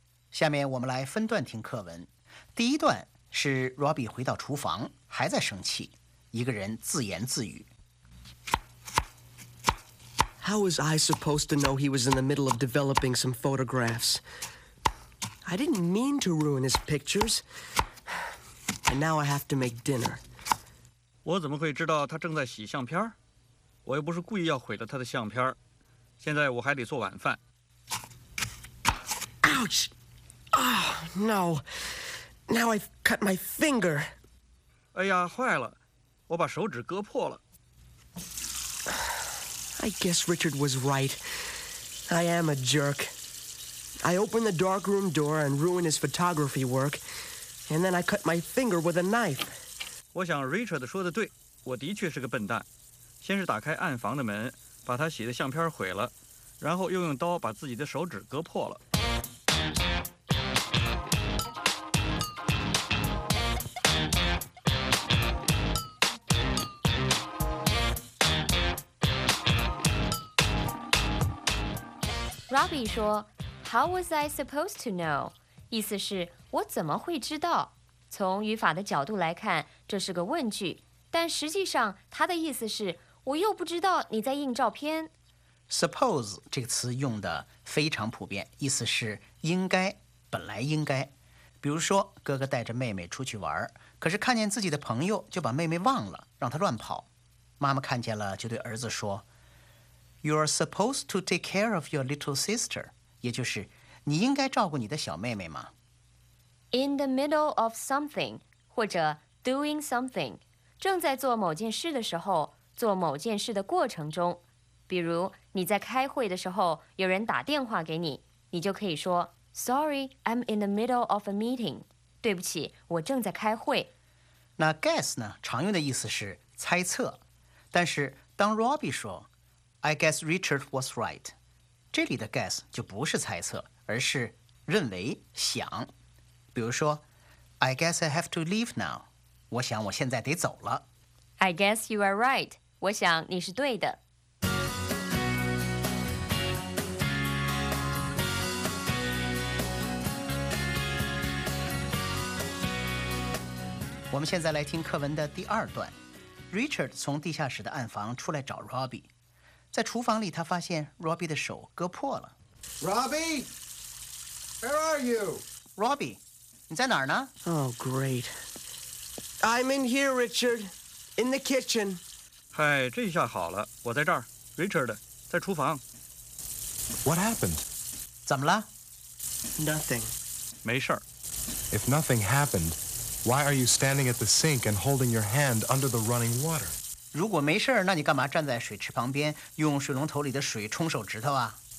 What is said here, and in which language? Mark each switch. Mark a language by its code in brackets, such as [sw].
[zh] 下面我们来分段听课文。第一段是 Robbie 回到厨房还在生气，一个人自言自语。 [en] How was I supposed to know he was in the middle of developing some photographs? I didn't mean to ruin his pictures. And now I have to make dinner. [zh] 我怎么会知道他正在洗相片？我又不是故意要毁了他的相片。现在我还得做晚饭。 [en] Ouch! Oh, no. Now I've cut my finger. [zh] 哎呀，坏了，我把手指割破了。 [en] I guess Richard was right. I am a jerk. I opened the darkroom door and ruined his photography work, and then I cut my finger with a knife. [zh] 我想 Richard 说的对，我的确是个笨蛋。先是打开暗房的门，把他洗的相片毁了，然后又用刀把自己的手指割破了。 [en] Robbie [zh] 说 [en] How was I supposed to know? [zh] 意思是我怎么会知道从语法的角度来看这是个问句但实际上他的意思是我又不知道你在印照片 Suppose 这个词用的非常普遍意思是应该本来应该比如说哥哥带着妹妹出去玩可是看见自己的朋友就把妹妹忘了让她乱跑妈妈看见了就对儿子说 [en] You are supposed to take care of your little sister. [zh] 也就是你应该照顾你的小妹妹吗 [en] In the middle of something, [zh] 或者 [en] doing something, [zh] 正在做某件事的时候做某件事的过程中。比如你在开会的时候有人打电话给你你就可以说 [en] Sorry, I'm in the middle of a meeting. [zh] 对不起我正在开会。那 guess 呢常用的意思是猜测。但是当 [en] Robbie [zh] 说 [en] I guess Richard was right. [zh] 这里的 guess 就不是猜测，而是认为、想。比如说 [en] ，I guess I have to leave now. [zh] 我想我现在得走了。 [en] I guess you are right. [zh] 我想你是对的。我们现在来听课文的第二段。Richard 从地下室的暗房出来找 Robbie。在厨房里他发现 Robbie 的手割破了 [en] Robbie Where are you [zh] Robbie 你在哪儿呢 [en] Oh great I'm in here Richard In the kitchen [zh] 嗨这下好了我在这儿 Richard 在厨房 [en] What happened [zh] 怎么了 [en] Nothing [zh] 没事 [en] If nothing happened Why are you standing at the sink And holding your hand under the running water [zh] 如果没事那你干嘛站在水池旁边用水龙头里的水冲手指头啊